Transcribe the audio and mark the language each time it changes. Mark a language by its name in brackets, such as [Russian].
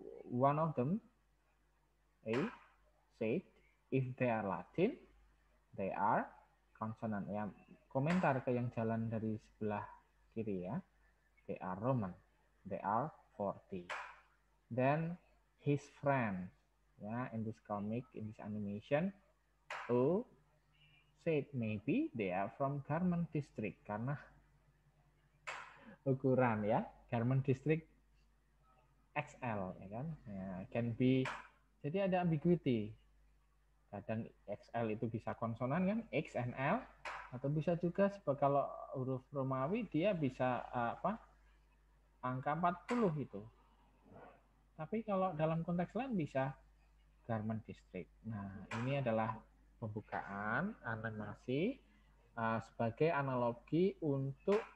[English] One of them, A, said, if they are Latin, they are consonant. [Indonesian] Yeah, komentar ke yang jalan dari sebelah kiri, ya. [English] They are Roman. They are 40. Then his friend, yeah, in this comic, in this animation, O, said maybe they are from garment district [Indonesian] karena ukuran, ya, [English] garment district XL, [Indonesian] ya kan, ya, [English] can be, [Indonesian] jadi ada ambiguity. Kadang XL itu bisa konsonan, kan, X and L, atau bisa juga sebagai kalau huruf Romawi dia bisa apa, angka 40 itu, tapi kalau dalam konteks lain bisa garment district. Nah, ini adalah pembukaan animasi sebagai analogi untuk